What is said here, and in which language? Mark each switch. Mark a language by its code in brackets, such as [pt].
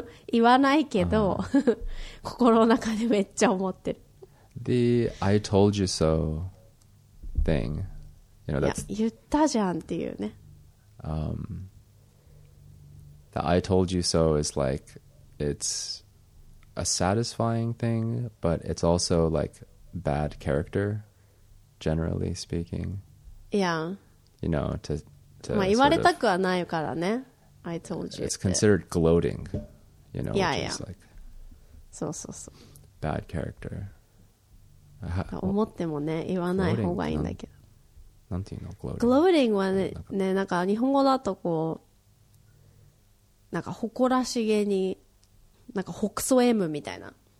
[ja] 言わないけど、心の中でめっちゃ思ってる。 [en] The I told you so thing. You know, that's, [ja] 言ったじゃんっていうね。 [en] The I told you so is like, it's a satisfying thing, but it's also like bad character, generally speaking. Yeah. You know, to [ja] まあ言われたくはないからね。 [en] I told you it's considered gloating, you know. Yeah, yeah. Like so, so, so. Bad character. [ja] 思ってもね、言わない方がいいんだけど。なんていうの、gloating。 Gloating はね、ね、なんか日本語だとこう、なんか誇らしげに、なんかほくそ笑むみたいな。